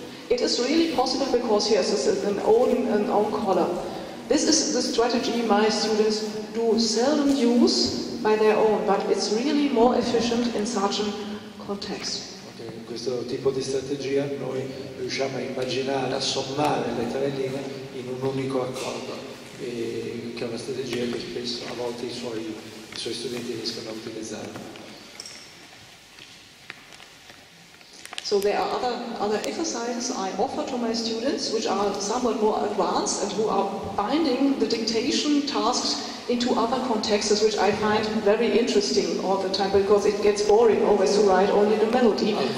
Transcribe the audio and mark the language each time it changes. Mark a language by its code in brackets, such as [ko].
[en] It is really possible because he has an own color. This is the strategy my students do seldom use by their own, but it's really more efficient in such a context. [it] Okay, in questo tipo di strategia noi riusciamo a immaginare, a sommare le tre linee in un unico accordo, e che è una strategia che spesso a volte i suoi studenti riescono a utilizzare. [en] So there are other exercises I offer to my students, which are somewhat more advanced and who are binding the dictation tasks into other contexts, which I find very interesting all the time, because it gets boring always to write only the melody.